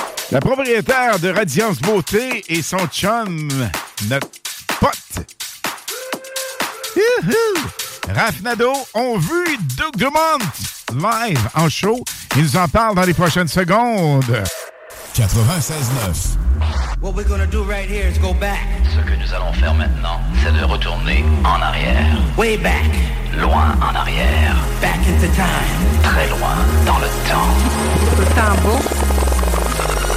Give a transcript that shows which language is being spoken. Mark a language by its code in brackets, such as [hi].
[fr] La propriétaire de Radiance Beauté et son chum, notre pote. Youhou! Raph Nadeau ont vu Doug Dumont live en show. Ils nous en parlent dans les prochaines secondes. 96.9. [en] What we're gonna do right here is go back. [fr] Ce que nous allons faire maintenant, c'est de retourner en arrière. [en] Way back. [fr] Loin en arrière. [en] Back into time. [fr] Très loin dans le temps. Le temps beau.